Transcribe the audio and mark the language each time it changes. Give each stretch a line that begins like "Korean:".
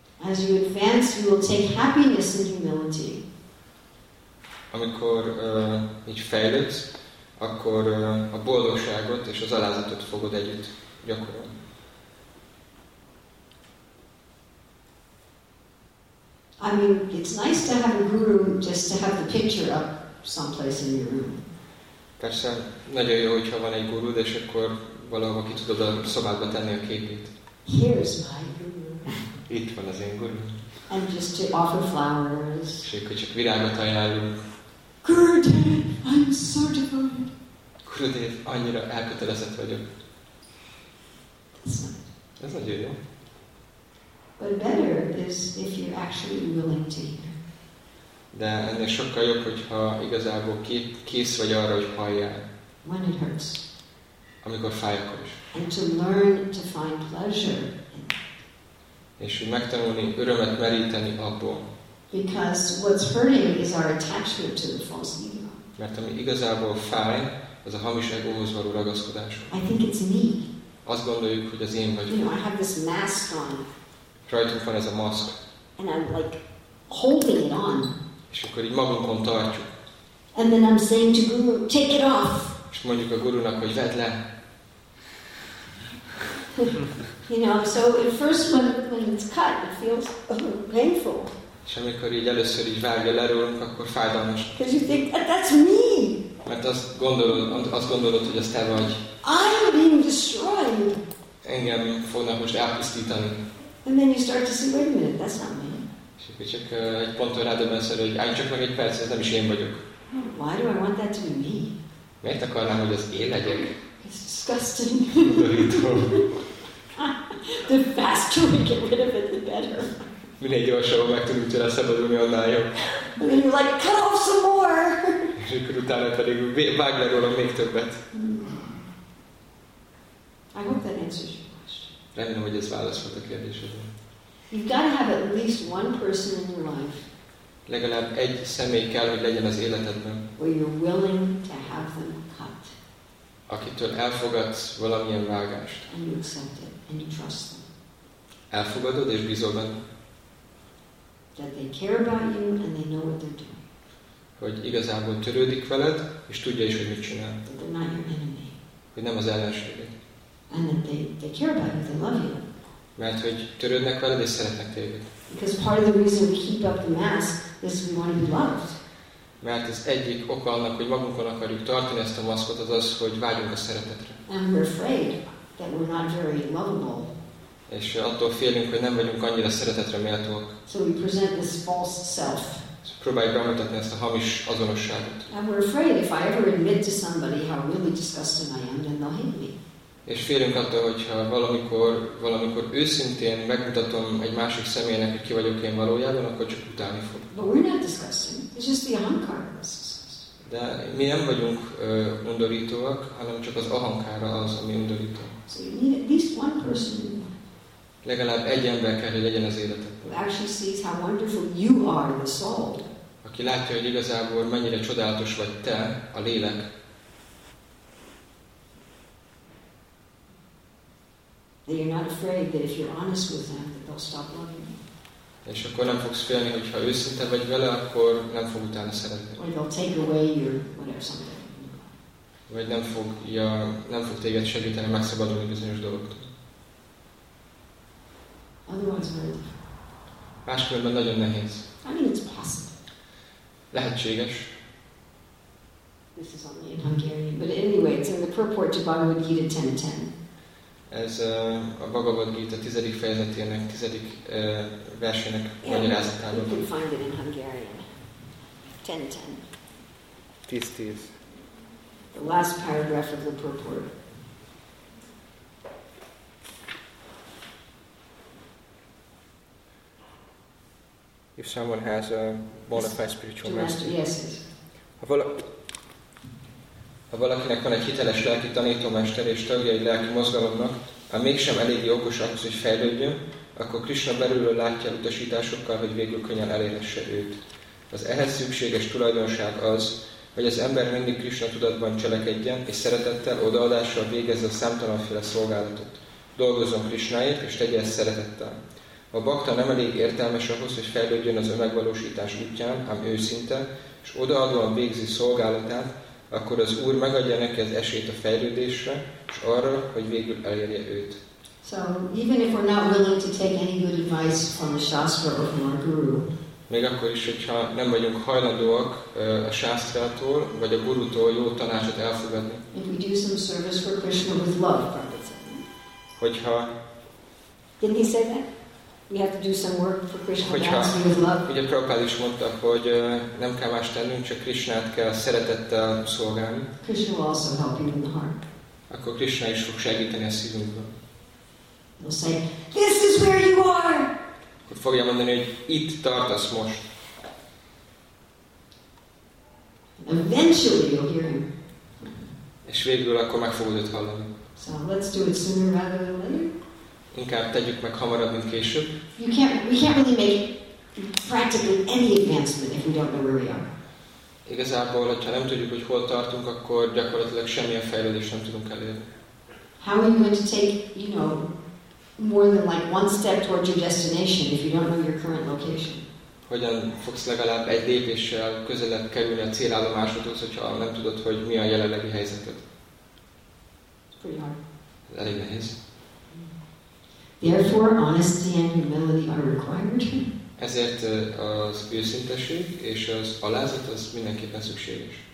English: As you advance, you will take happiness and humility.
Hungarian: Amikor így fejlődsz, akkor a boldogságot és az alázatot fogod együtt gyakorolni.
English: I mean, it's nice to have a guru just to have the picture up someplace in your room.
Hungarian: Persze, nagyon jó, hogyha van egy guru, és akkor valahova ki tudod a szobádba tenni a képét.
English: Here's my guru.
Hungarian: Itt van az én guru.
English: And just to offer flowers.
Hungarian: És akkor csak virágot ajánlunk.
English: Gurudev, I'm so devoted.
Hungarian: Gurudev, annyira elkötelezett vagyok. Ez nagyon jó.
English: But better is if you're actually willing to hear.
Hungarian: De ennél sokkal jobb, hogyha igazából kész vagy arra, hogy halljál.
English: When it hurts.
Hungarian: Amikor fáj, akkor is.
English: And to learn to find pleasure.
Hungarian: És hogy megtanulni örömet meríteni abból.
English: Because what's hurting is our attachment to the false ego.
Hungarian: Mert ami igazából fáj, az a hamis egóhoz való ragaszkodás.
English: I think it's me.
Hungarian: Azt gondoljuk, hogy az én vagyok.
English: You know, I have this mask on.
Hungarian: Rajtunk van ez a maszk.
English: And I'm like holding it on.
Hungarian: És akkor így magunkon tartjuk.
English: And then I'm saying to Guru, take it off.
Hungarian: És mondjuk a gurunak, hogy vedd le.
English: You know, so at first when it's cut, it feels painful.
Hungarian: És amikor így először így vágja lerólunk, akkor fájdalmas.
English: Because you think, that's me.
Hungarian: Mert azt gondolod, hogy ez te vagy.
English: I'm being destroyed.
Hungarian: Engem fognak most elpusztítani.
English: And then you start to see, wait a minute, that's not me.
Hungarian: És akkor csak egy ponton rádöbbenszer, hogy állj csak meg egy perc, ez nem is én vagyok.
English: Why do I want that to be me?
Hungarian: Miért akarnám, hogy az én legyek?
English: It's disgusting. The faster we get rid of it, the better.
Hungarian: Minél gyorsabban meg tudunk tőle szabadulni, annál jobb.
English: And then you're like, cut off some more.
Hungarian: És akkor utána pedig vágj le róla még többet.
English: I hope that answers your question.
Hungarian: Remélem, hogy ez válaszolt a kérdésedre.
English: You've got to have at least one person in your life.
Hungarian: Legalább egy személy kell, hogy legyen az életedben.
English: Where you're willing to have them cut.
Hungarian: Akitől elfogadsz valamilyen vágást.
English: And you accept it and you trust them.
Hungarian: Elfogadod és bízol benne.
English: That they care about you and they know what they're doing.
Hungarian: Hogy igazából törődik veled, és tudja is, hogy mit csinál.
English: That they're not your enemy.
Hungarian: Hogy nem az ellenséged.
English: And that they care about you, they love you.
Hungarian: Mert hogy törődnek veled, és szeretnek téged.
English: Because part of the reason we keep up the mask is we want to be loved.
Hungarian: Mert az egyik oka annak, hogy magunkon akarjuk tartani ezt a maszkot, az, hogy vágyunk a szeretetre.
English: And we're afraid that we're not very lovable.
Hungarian: És attól félünk, hogy nem vagyunk annyira szeretetre méltóak.
English: So we present this false self.
Hungarian: Próbáljuk bemutatni ezt a hamis azonosságot.
English: And we're afraid if I ever admit to somebody how really disgusting I am, then they'll hate me.
Hungarian: És félünk attól, hogyha valamikor őszintén megmutatom egy másik személynek, hogy ki vagyok én valójában, akkor csak utálni fog.
English: But we're not disgusting. It's just the ahankar.
Hungarian: De mi nem vagyunk undorítóak, hanem csak az ahankára az, ami undorító.
English: So you need at least one person.
Hungarian: Legalább egy ember kell, hogy legyen az életedben.
English: Who actually sees how wonderful you are, the soul.
Hungarian: Aki látja, hogy igazából mennyire csodálatos vagy te, a lélek.
English: That you're not afraid that if you're honest with them, that they'll stop loving you.
Hungarian: És akkor nem fogsz félni, hogy ha őszinte vagy vele, akkor nem fog utána szeretni.
English: Or they'll take away your whatever something.
Hungarian: Vagy nem fog téged segíteni megszabadulni bizonyos dolgoktól. Máskülönben nagyon nehéz.
English: I mean, it's possible.
Hungarian: Lehetséges.
English: This is only in Hungarian, but anyway, it's in the purport to Bhagavad Gita 10.10.
Hungarian: Ez a Bhagavad Gita 10. fejezetének, 10. versének magyarázatában.
English: You can find it in Hungarian. 10.10.
Hungarian: 10.10.
English: The last paragraph of the purport. If someone has a bona fide spiritual master. Yes.
Hungarian: Ha valakinek van egy hiteles lelki tanítómester és tagja egy lelki mozgalomnak, ha mégsem elég okos ahhoz, hogy fejlődjön, akkor Krisna belülről látja utasításokkal, hogy végül könnyen elérhesse őt. Az ehhez szükséges tulajdonság az, hogy az ember mindig Krisna tudatban cselekedjen, és szeretettel, odaadással végezze a számtalanféle szolgálatot. Dolgozzon Krisnáért, és tegye ezt szeretettel. A bhakta nem elég értelmes ahhoz, hogy fejlődjön az önmegvalósítás útján, ám őszinte, és odaadóan végzi szolgálatát, akkor az Úr megadja neki az esélyt a fejlődésre, és arra, hogy végül elérje őt.
English: So, even if we're not willing to take any good advice from a Shastra or from our Guru,
Hungarian: még akkor is, hogyha nem vagyunk hajlandóak a Shastrától vagy a Gurutól jó tanácsot elfogadni,
English: if we do some service for Krishna with love,
Hungarian: hogyha
English: didn't he say that? We have to do some work for Krishna with love.
Hungarian: Ugye Prabhupád is mondta, hogy nem kell más tennünk, csak Krishnát kell szeretettel szolgálni.
English: Krishna will also help you in the heart.
Hungarian: Akkor Krishna is fog segíteni a szívünkben.
English: We'll say, this is where you are.
Hungarian: Akkor fogja mondani, hogy itt tartasz most.
English: Eventually you'll hear him.
Hungarian: És végül akkor meg fogod őt hallani.
English: So let's do it sooner rather than later.
Hungarian: Inkább tegyük meg hamarabb, mint később.
English: We can't really make practically any advancement if we don't know where we are.
Hungarian: Igazából, hogyha nem tudjuk, hogy hol tartunk, akkor gyakorlatilag semmilyen fejlődést nem tudunk elérni.
English: How are you going to take, you know, more than like one step towards your destination if you don't know your current location?
Hungarian: Hogyan fogsz legalább egy lépéssel közelebb kerülni a célállomásodhoz, hogyha nem tudod, hogy mi a jelenlegi helyzeted?
English: It's pretty hard.
Hungarian: Elég nehéz.
English: Therefore, honesty and humility are required.
Hungarian: Ezért az őszinteség és az alázat az mindenképpen szükséges.